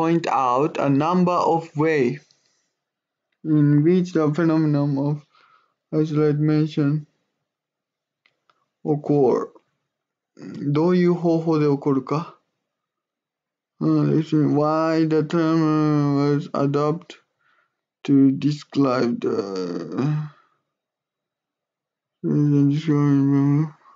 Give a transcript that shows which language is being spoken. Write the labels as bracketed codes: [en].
[en] Point out a number of ways in which the phenomenon of isolation occur. [ja] どういう方法で起こるか。 [en] Why the term was adopted to describe the description.